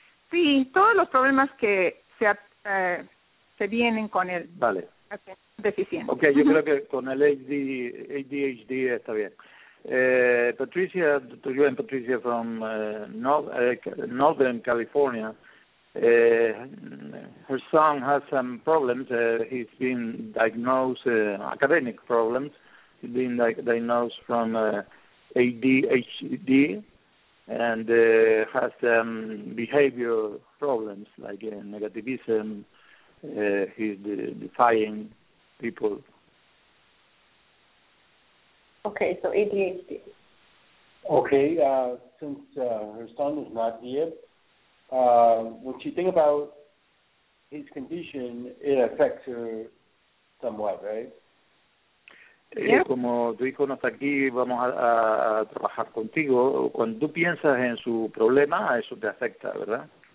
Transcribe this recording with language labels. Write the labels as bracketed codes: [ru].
[es] Sí, todos los problemas que se vienen con el deficiente. Okay, yo creo que con el ADHD está bien. [en] Patricia, to you and Patricia from Northern California. Her son has some problems. He's been diagnosed academic problems. He's been diagnosed from ADHD and has some behavior problems like negativism. He's defying people. Okay, so ADHD. Okay, since her son is not here, when she thinks about his condition, it affects her somewhat, right? Yeah. [es] Como tu hijo no está aquí, vamos a trabajar contigo. Cuando tú piensas en su problema, eso te afecta, ¿verdad?